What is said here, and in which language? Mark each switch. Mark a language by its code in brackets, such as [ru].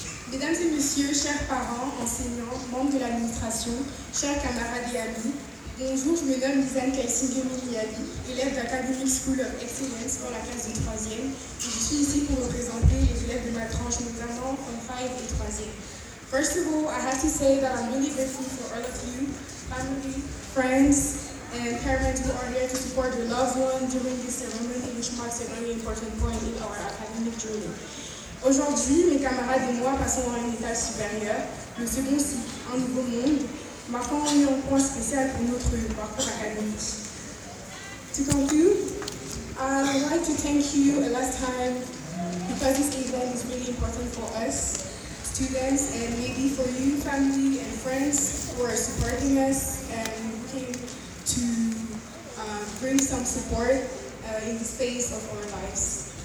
[fr] Mesdames et messieurs, chers parents, enseignants, membres de l'administration, chers camarades et amis, bonjour, je me nomme Lisanne Kaysing-Emiliadi, élève d'Academy School of Excellence dans la classe de 3e. Et je suis ici pour représenter les élèves de ma tranche, notamment en 5 et 3e. [en] First of all, I have to say that I'm really grateful for all of you, family, friends, and parents who are here to support your loved one during this ceremony, which marks a very important point in our academic journey. [fr] Aujourd'hui, mes camarades et moi passons dans un étage supérieur, le second cycle, un nouveau monde, marquant un point spécial pour notre parcours académique. [en] To conclude, I would like to thank you a last time because this event is really important for us, students, and maybe for you, family and friends who are supporting us and looking to bring some support in the space of our lives.